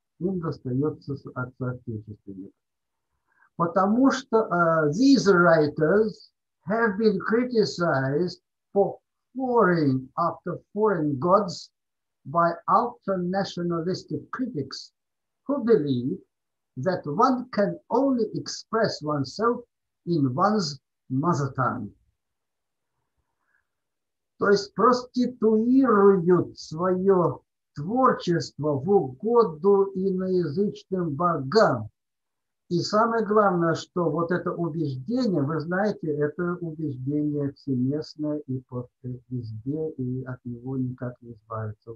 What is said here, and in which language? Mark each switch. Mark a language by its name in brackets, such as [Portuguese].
[Russian] Им достается от соотечественника. Потому что [English] these writers have been criticized for warring after foreign gods by ultra-nationalistic critics who believe that one can only express oneself in one's mother tongue. [Russian] То есть проституируют свое творчество в угоду иноязычным богам. И самое главное, что вот это убеждение, вы знаете, это убеждение всеместное и везде, и от него никак не избавиться.